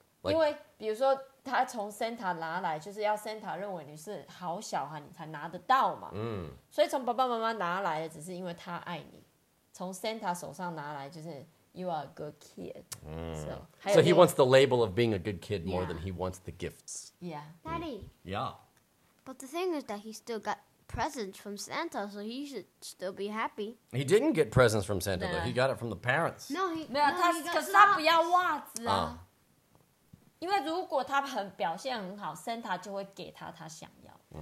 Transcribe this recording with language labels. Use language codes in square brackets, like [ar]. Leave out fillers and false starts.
[zh] Like, 因为比如说 他从 Santa 拿来，就是要 Santa 认为你是好小孩，你才拿得到嘛。所以从爸爸妈妈拿来的，只是因为他爱你。从 Santa 手上拿来，就是 [en] you are a good kid. So he wants the label of being a good kid more than he wants the gifts. Yeah, Daddy. Yeah. But the thing is that he still got presents from Santa, so he should still be happy. He didn't get presents from Santa though. He got it from the parents. No, he got socks. [zh] 因为如果他很表现很好, Santa 就会给他他想要。